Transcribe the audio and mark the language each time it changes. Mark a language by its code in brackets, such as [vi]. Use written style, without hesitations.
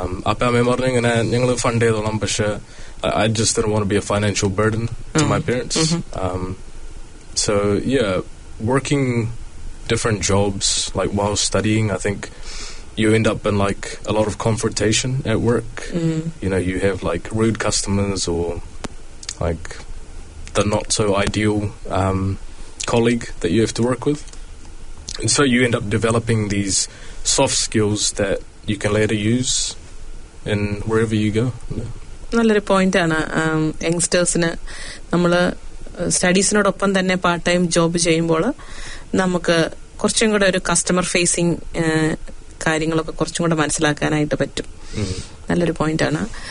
[ml] അപ്പൊ അമ്മ പറഞ്ഞു ഇങ്ങനെ ഞങ്ങൾ ഫണ്ട് ചെയ്തോളാം, പക്ഷെ [en] I just didn't want be a financial burden to my parents. So yeah, working different jobs like wow studying I think you end up in like a lot of confrontation at work. You know, you have like rude customers or like the not so ideal colleague that you have to work with, and so you end up developing these soft skills that you can later use in wherever you go. [ml] നല്ലൊരു point ആണ്. യങ്സ്റ്റേഴ്സിന് നമ്മൾ സ്റ്റഡീസിനോടൊപ്പം തന്നെ part time job ചെയ്യുമ്പോൾ നമുക്ക് കുറച്ചും കൂടെ ഒരു customer facing കാര്യങ്ങളൊക്കെ കുറച്ചും കൂടെ മനസ്സിലാക്കാനായിട്ട് പറ്റും. നല്ലൊരു പോയിന്റ് ആണ്.